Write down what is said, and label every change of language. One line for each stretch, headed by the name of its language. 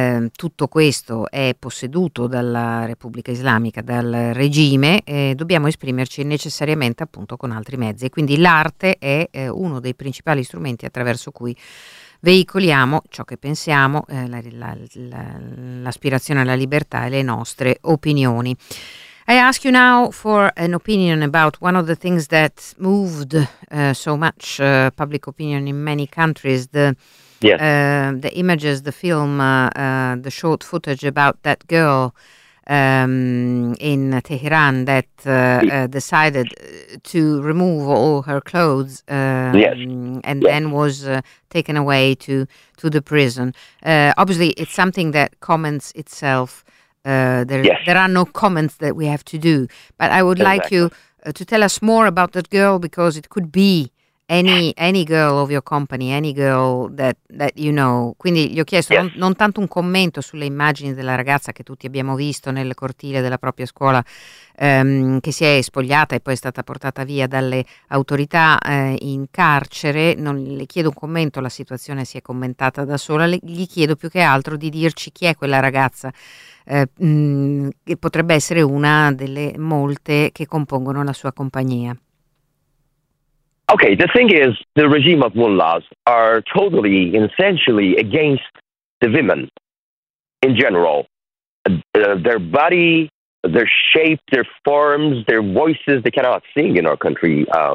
Italian: tutto questo è posseduto dalla Repubblica Islamica, dal regime, e dobbiamo esprimerci necessariamente appunto con altri mezzi. E quindi l'arte è uno dei principali strumenti attraverso cui veicoliamo ciò che pensiamo, l'aspirazione alla libertà e le nostre opinioni.
English: I ask you now for an opinion about one of the things that moved so much public opinion in many countries, the images, the film, the short footage about that girl in Tehran that decided to remove all her clothes then was taken away to the prison. Obviously, it's something that comments itself. There are no comments that we have to do, but I would like you to tell us more about that girl, because it could be any girl of your company, any girl that you know.
Italian: Quindi gli ho chiesto non tanto un commento sulle immagini della ragazza che tutti abbiamo visto nel cortile della propria scuola, che si è spogliata e poi è stata portata via dalle autorità in carcere. Non le chiedo un commento, la situazione si è commentata da sola. Gli chiedo più che altro di dirci chi è quella ragazza, che potrebbe essere una delle molte che compongono la sua compagnia.
English: Okay, the thing is, the regime of mullahs are totally, essentially against the women in general. Their body, their shape, their forms, their voices, they cannot sing in our country.